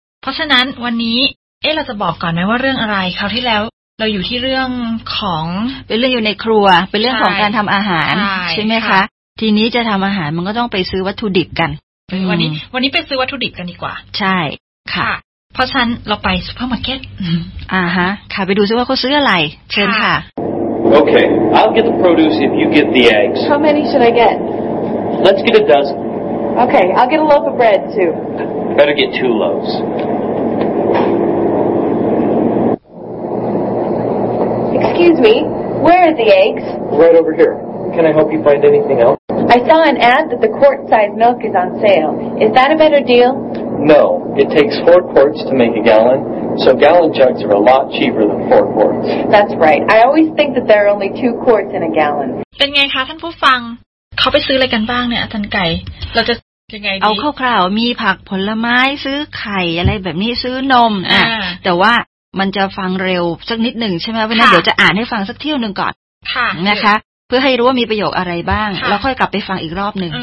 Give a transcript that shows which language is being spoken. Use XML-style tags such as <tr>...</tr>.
<th>เพราะฉะนั้นวันนี้เราจะบอกก่อนไหมว่าเรื่องอะไรคราวที่แล้วเราอยู่ที่เรื่องของ เป็นเรื่องอยู่ในครัวเป็นเรื่องของการทำอาหาร ใ ช่ไหมคะทีนี้จะทำอาหารมันก็ต้องไปซื้อวัตถุดิบกัน วันนี้ไปซื้อวัตถุดิบกันดีกว่า ใช่ค่ะ เพราะฉะนั้นเราไปซูเปอร์มาร์เก็ต ฮะค่ะไปดูซิว่าเขาซื้ออะไรเชิญค่ะ</th> <en>Okay, I'll get the produce if you get the eggs. How many should I get? Let's get a dozen. Okay, I'll get a loaf of bread, too. Better get two loaves. Excuse me, where are the eggs? Right over here. Can I help you find anything else? I saw an ad that the quart-sized milk is on sale. Is that a better deal? No, it takes 4 quarts to make a gallon. So gallon jugs are a lot cheaper than 4 quarts. That's right. I always think that there are only 2 quarts in a gallon.</en> <th>เป็นไงคะท่านผู้ฟังเขาไปซื้ออะไรกันบ้างเนี่ยท่านไก่เราจะยังไง เอาคร่าวๆมีผักผลไม้ซื้อไข่อะไรแบบนี้ซื้อนม อ่ ะแต่ว่ามันจะฟังเร็วสักนิดหนึ่งใช่ไหมเพราะนั้นเดี๋ยวจะอ่านให้ฟังสักเที่ยวนึงก่อน ค่ ะ นะคะเพื่อให้รู้ว่ามีประโยคอะไรบ้างแล้วค่อยกลับไปฟังอีกรอบนึง</th>